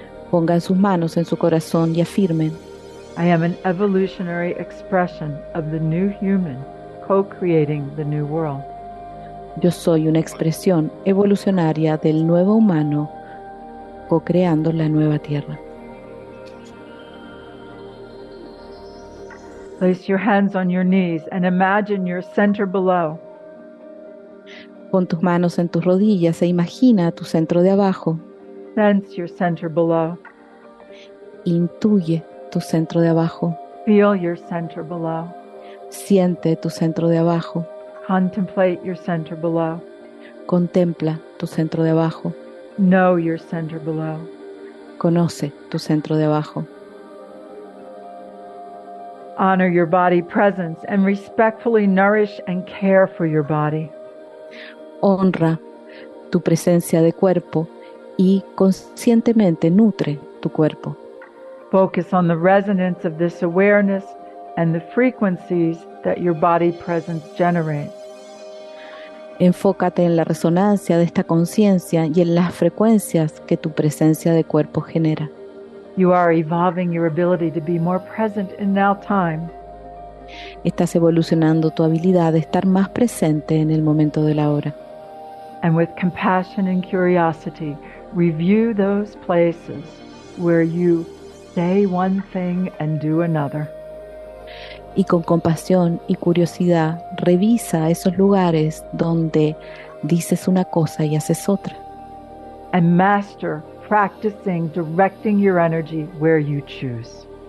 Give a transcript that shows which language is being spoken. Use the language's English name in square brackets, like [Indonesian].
[Spanish] Pongan sus manos en su corazón y afirmen. [English] I am an evolutionary expression of the new human. co-creating the new world. [Spanish] Yo soy una expresión evolucionaria del nuevo humano, co-creando la nueva tierra. [English] Place your hands on your knees and imagine your center below. [Spanish] Pon tus manos en tus rodillas e imagina tu centro de abajo. [English] Sense your center below. [Spanish] Intuye tu centro de abajo. [English] Feel your center below. [Spanish] Siente tu centro de abajo. [English] Contemplate your center below. [Spanish] Contempla tu centro de abajo. [English] Know your center below. [Spanish] Conoce tu centro de abajo. [English] Honor your body presence and respectfully nourish and care for your body. [Spanish] Honra tu presencia de cuerpo y conscientemente nutre tu cuerpo. [English] Focus on the resonance of this awareness and the frequencies that your body presence generates. [Spanish] Enfócate en la resonancia de esta conciencia y en las frecuencias que tu presencia de cuerpo genera. [English] You are evolving your ability to be more present in now time. [Spanish] Estás evolucionando tu habilidad de estar más presente en el momento de la hora. [English] And with compassion and curiosity, review those places where you say one thing and do another. [Spanish] Y con compasión y curiosidad, revisa esos lugares donde dices una cosa y haces otra. [English] And master practicing directing your energy where you choose.